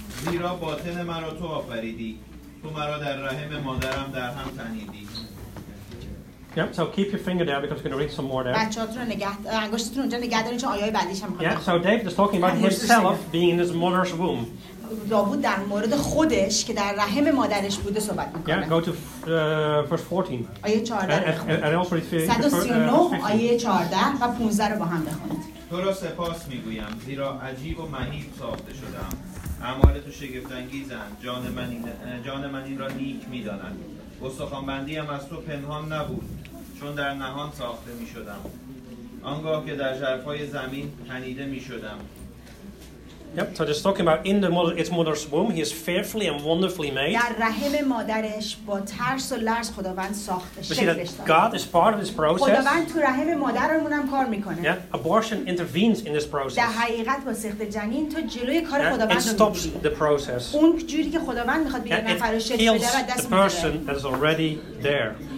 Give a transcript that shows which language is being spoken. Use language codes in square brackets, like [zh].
[fa] زیرا باطن مرا تو آفریدی، تو مرا در رحم مادرم در هم تنیدی. [en] Yep, so keep your finger there because we're going to read some more there. Yeah, so David is talking about himself being in his mother's womb. [fa] داوود در مورد خودش که در رحم مادرش بوده صحبت میکنه. [en] Yeah, go to verse 14. [fa] آیه 14. [en] And also read [fa] 139 آیه 14 و 15 رو با هم بخونید. تو را سپاس میگویم زیرا عجیب و مهیب ساخته شدم. اعمال تو شگفت‌انگیزند. جان من این را نیک میداند. استخوان‌بندی‌ام از تو پنهان نبود، چون در نهان ساخته میشدم. آنگاه که در ژرفای زمین تنیده میشدم. [en] Yep, so just talking about in the mother, its mother's womb, he is fearfully and wonderfully made. [fa] در رحم مادرش با ترس و لرز خداوند ساخته شده. [en] God is part of this process. [fa] خداوند تو رحم مادرمون هم کار میکنه. [en] Yeah, abortion intervenes in this process. [fa] در حقیقت با سخت جنین تو جلوی کار خداوند میگیری. [en] It stops the process. [fa] اون جوری که خداوند میخواد بیاد نفرش شکل بده و دست میگیره. [en] It kills the person that is already there.